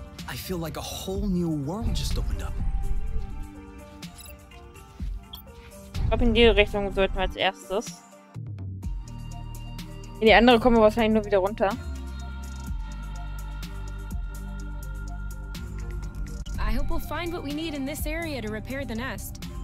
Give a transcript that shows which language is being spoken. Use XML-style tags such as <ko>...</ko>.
<en>I feel like a whole new world just opened up.</en> <de>Ich glaube, in die Richtung sollten wir als erstes. In die andere kommen wir wahrscheinlich nur wieder runter.</de> <en>I hope we'll find what we need in this area to repair the nest.</en>